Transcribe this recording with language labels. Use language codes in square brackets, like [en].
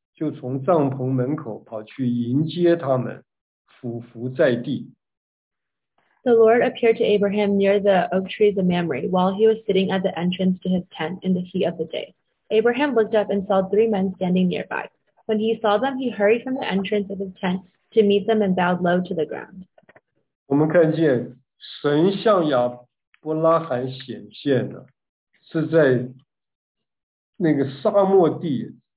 [zh] 就从帐篷门口跑去迎接他们，俯伏在地。 [en] The Lord appeared to Abraham near the oak trees of Mamre, while he was sitting at the entrance to his tent in the heat of the day. Abraham looked up and saw three men standing nearby. When he saw them, he hurried from the entrance of his tent to meet them and bowed low to the ground. [zh] 我们看见神向亚伯拉罕显现了，是在那个沙漠地。